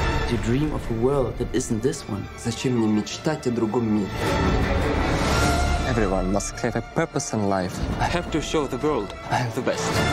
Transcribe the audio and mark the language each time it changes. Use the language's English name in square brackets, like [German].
[English] You dream of a world that isn't this one. [Russian] Зачем мне мечтать о другом мире? [English] Everyone must have a purpose in life. I have to show the world I am the best.